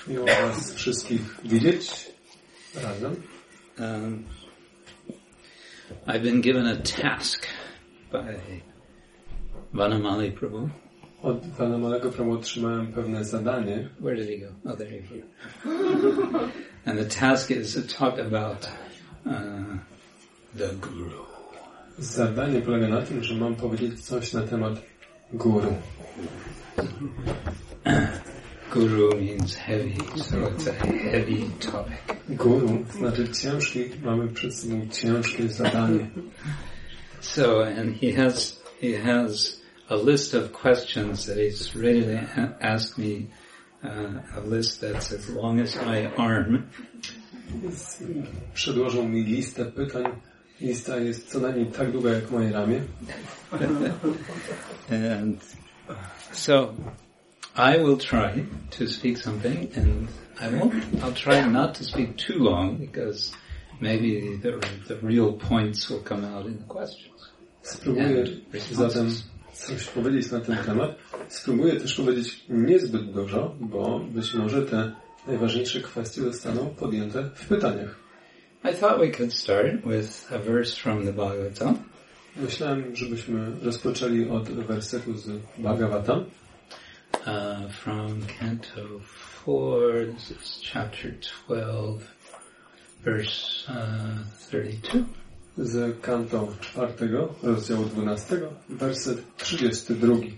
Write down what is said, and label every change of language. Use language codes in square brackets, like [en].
[pl] Miło was wszystkich widzieć razem. [en] I've been given a task by Vanamali Prabhu. [pl] Od Vanamalego Prabhu otrzymałem pewne zadanie. [en] Where did he go? Oh, there he is. And the task is to talk about the guru. [pl] Zadanie polega na tym, że mam powiedzieć coś na temat guru. [en] Guru means heavy, so it's a heavy topic. [pl] Guru znaczy ciężki, mamy przed sobą ciężkie zadanie. [en] So, and he has a list of questions that he's ready to ask me, a list that's as long as my arm. [pl] Przedłożył mi listę pytań. Lista jest co najmniej tak długa jak moje ramię. [en] And so I will try to speak something, and I'll try not to speak too long, because maybe the real points will come out in the questions. [pl] Spróbuję coś powiedzieć na ten temat. Spróbuję też powiedzieć niezbyt dużo, bo być może te najważniejsze kwestie zostaną podjęte w pytaniach. [en] I thought we could start with a verse from the Bhagavatam. [pl] Myślałem, żebyśmy rozpoczęli od wersetu z Bhagavata. [en] From Canto 4, this is chapter 12, verse 32. [pl] Z Canto 4, rozdziału 12, werset 32.